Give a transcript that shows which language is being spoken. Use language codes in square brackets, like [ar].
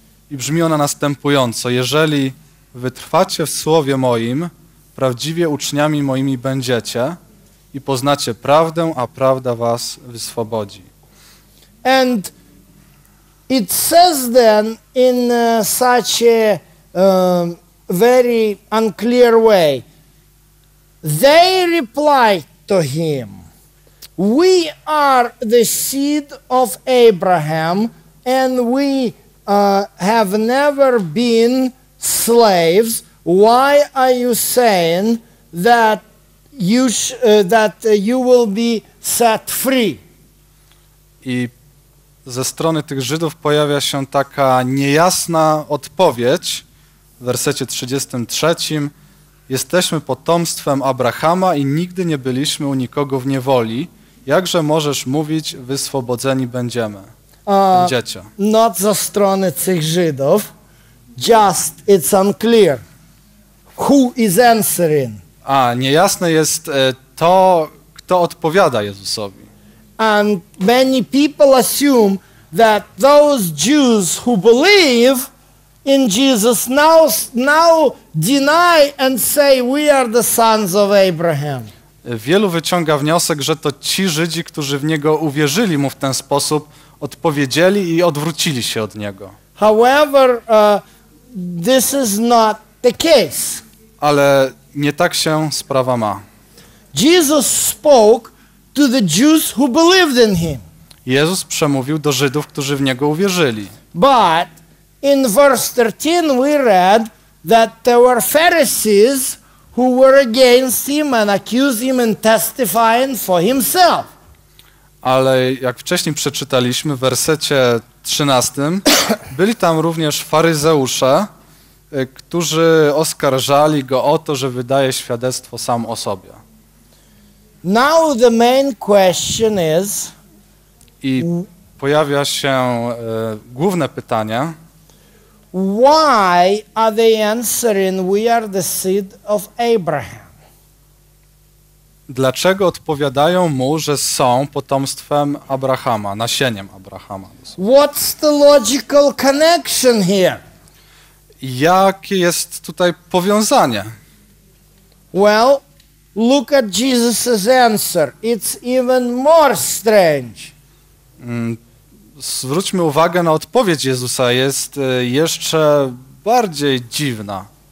[pl] I brzmi ona następująco. Jeżeli wytrwacie w Słowie Moim, prawdziwie uczniami Moimi będziecie i poznacie prawdę, a prawda was wyswobodzi. [en] And it says then in such a very unclear way, they replied to him, we are the seed of Abraham and we have never been slaves. Why are you saying that you will be set free? [pl] I ze strony tych Żydów pojawia się taka niejasna odpowiedź w wersecie 33. Jesteśmy potomstwem Abrahama i nigdy nie byliśmy u nikogo w niewoli. Jakże możesz mówić, wyswobodzeni będziemy? Będziecie. Not ze strony tych Żydów. [en] Just it's unclear. Who is answering? [pl] A niejasne jest to, kto odpowiada Jezusowi. [en] And many people assume that those Jews who believe in Jesus now deny and say we are the sons of Abraham. [pl] Wielu wyciąga wniosek, że to ci Żydzi, którzy w Niego uwierzyli Mu w ten sposób, odpowiedzieli i odwrócili się od Niego. [en] However, this is not the case. [pl] Ale nie tak się sprawa ma. [en] Jesus spoke to the Jews who believed in him. [pl] Jezus przemówił do Żydów, którzy w Niego uwierzyli. [en] But in verse 13 we read that there were Pharisees who were against him and accused him and testifying for himself. [pl] Ale jak wcześniej przeczytaliśmy w wersecie 13, byli tam również faryzeusze, którzy oskarżali go o to, że wydaje świadectwo sam o sobie. [en] Now the main question is, [pl] i pojawia się główne pytanie. [en] Why are they answering, we are the seed of Abraham? [pl] Dlaczego odpowiadają mu, że są potomstwem Abrahama, nasieniem Abrahama? [en] What's the logical connection here? [pl] Jakie jest tutaj powiązanie? [en] Well, look at Jesus's answer. It's even more strange. [pl] Zwróćmy uwagę na odpowiedź Jezusa. Jest jeszcze bardziej dziwna.